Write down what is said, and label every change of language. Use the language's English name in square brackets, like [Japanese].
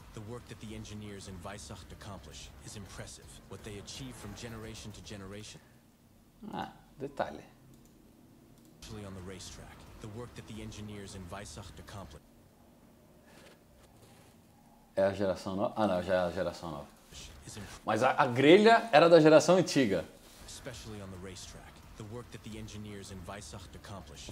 [English] The work that the engineers in Weissacht accomplish is impressive. What they achieve from generation to generation. [Portuguese] Ah, detalhe. [English] Especially on the racetrack. The work that the engineers in Weissacht accomplish. [Portuguese] É a geração nova? Ah, não, já é a geração nova. Mas a grelha era da geração antiga. [English] Especially on the racetrack. the work that the engineers in Weissacht accomplished.